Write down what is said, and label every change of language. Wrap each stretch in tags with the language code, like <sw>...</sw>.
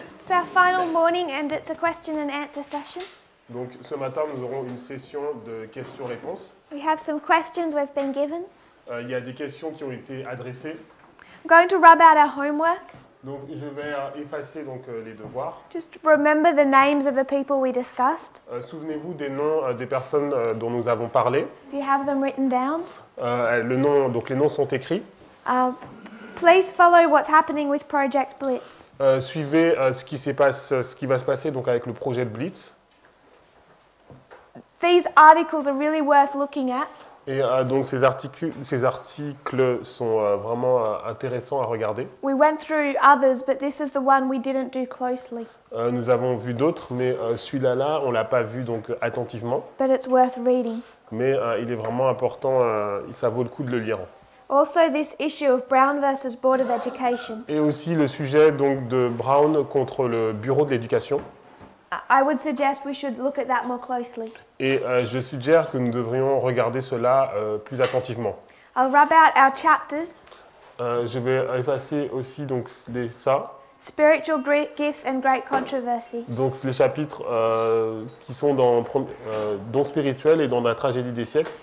<en>our final morning and it's a question and answer session.</en> <fr>Donc ce matin, nous aurons une session de questions-réponses.</fr> <en>We have some questions we've been given.</en> <fr>Il y a des questions qui ont été adressées.</fr> <en>I'm going to rub out our homework.</en> <fr>Donc je vais effacer donc les devoirs.</fr> <en>Just remember the names of the people we discussed.</en> <fr>Souvenez-vous des noms des personnes dont nous avons parlé.</fr> <en>If you have them written down.</en> <fr>Les noms sont écrits.</fr> <en>Please follow what's happening with Project Blitz.</en> <fr>Suivez ce qui va se passer donc avec le projet de Blitz.</fr> <en>These articles are really worth looking at.</en> <fr>Et donc ces articles sont vraiment intéressants à regarder.</fr> <en>We went through others, but this is the one we didn't do closely.</en> <fr>Nous avons vu d'autres, mais celui-là, on l'a pas vu donc attentivement.</fr> <en>But it's worth reading.</en> <fr>Mais il est vraiment important. Ça vaut le coup de le lire.</fr> <en>Also, this issue of Brown versus Board of Education.</en> <fr>Et aussi le sujet donc de Brown contre le Bureau de l'Éducation.</fr> <en>I would suggest we should look at that more closely.</en> <fr>Et je suggère que nous devrions regarder cela plus attentivement.</fr> <en>I'll rub out our chapters.</en> <fr>Je vais effacer aussi donc ça.</fr> <en>Spiritual great gifts and great controversies.</en> <fr>Donc les chapitres qui sont dans dons spirituels et dans la tragédie des siècles.</fr>